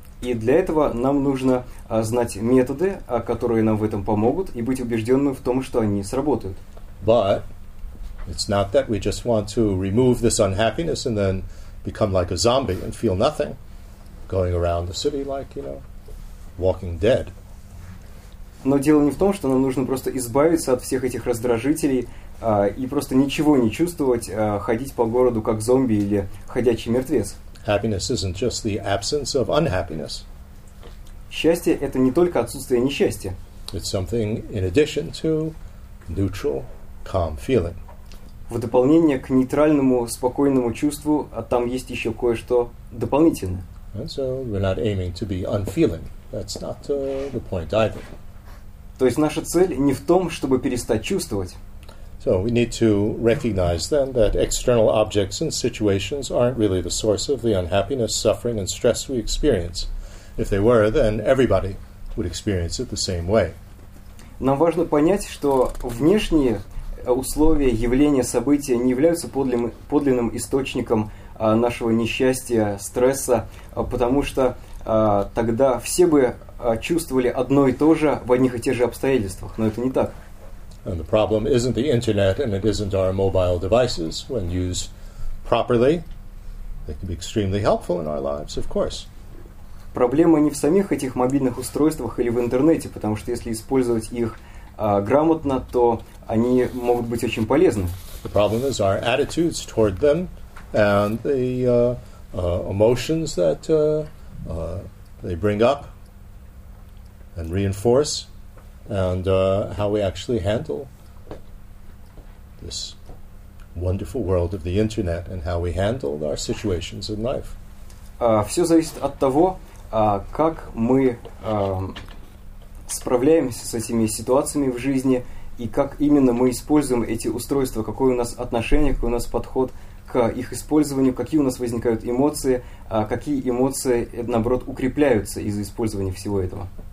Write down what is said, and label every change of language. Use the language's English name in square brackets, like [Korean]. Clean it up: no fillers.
[Russian] И для этого нам нужно знать методы, которые нам в этом помогут, и быть убежденным в том, что они сработают. [English] But it's not that we just want to remove this unhappiness and then become like a zombie and feel nothing, going around the city like, you know, walking dead. [Russian] Но дело не в том, что нам нужно просто избавиться от всех этих раздражителей и просто ничего не чувствовать, ходить по городу как зомби или ходячий мертвец. [English] Happiness isn't just the absence of unhappiness. [Russian] Счастье – это не только отсутствие несчастья. [English] It's something in addition to neutral, calm feeling. [Russian] В дополнение к нейтральному, спокойному чувству, там есть еще кое-что дополнительное. [English] And so we're not aiming to be unfeeling. That's not the point either. [Russian] То есть наша цель не в том, чтобы перестать чувствовать. [English] So we need to recognize then that external objects and situations aren't really the source of the unhappiness, suffering and stress we experience. If they were, then everybody would experience it the same way. [Russian] Нам важно понять, что внешние условия, явления, события не являются подлинным источником нашего несчастья, стресса, потому что тогда все бы чувствовали одно и то же в одних и тех же обстоятельствах, но это не так. [English] And the problem isn't the internet and it isn't our mobile devices. When used properly, they can be extremely helpful in our lives, of course. [Russian] Проблема не в самих этих мобильных устройствах или в интернете, потому что если использовать их грамотно, то они могут быть очень полезны. [English] The problem is our attitudes toward them and the emotions that they bring up and reinforce, and how we actually handle this wonderful world of the internet and how we handle our situations in life. [Russian] Все зависит от того, как мы справляемся с этими ситуациями в жизни и как именно мы используем эти устройства, какое у нас отношение, какой у нас подход к их использованию, какие у нас возникают эмоции, какие эмоции, наоборот, укрепляются из-за использования всего этого.